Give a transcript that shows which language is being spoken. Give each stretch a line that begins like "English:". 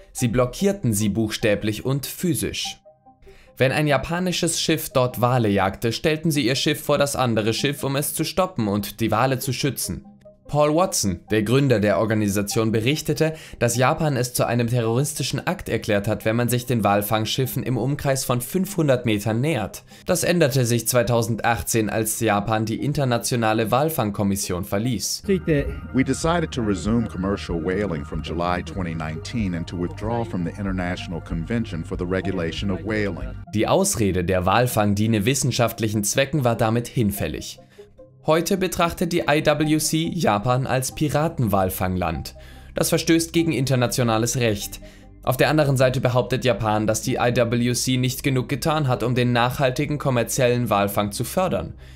German: Sie blockierten sie buchstäblich und physisch. Wenn ein japanisches Schiff dort Wale jagte, stellten sie ihr Schiff vor das andere Schiff, um es zu stoppen und die Wale zu schützen. Paul Watson, der Gründer der Organisation, berichtete, dass Japan es zu einem terroristischen Akt erklärt hat, wenn man sich den Walfangschiffen im Umkreis von 500 Metern nähert. Das änderte sich 2018, als Japan die Internationale Walfangkommission verließ.
English: We decided to resume commercial whaling from July 2019 and to withdraw from the International Convention for the Regulation of Whaling.
German: Die Ausrede, der Walfang diene wissenschaftlichen Zwecken, war damit hinfällig. Heute betrachtet die IWC Japan als Piratenwalfangland. Das verstößt gegen internationales Recht. Auf der anderen Seite behauptet Japan, dass die IWC nicht genug getan hat, um den nachhaltigen kommerziellen Walfang zu fördern.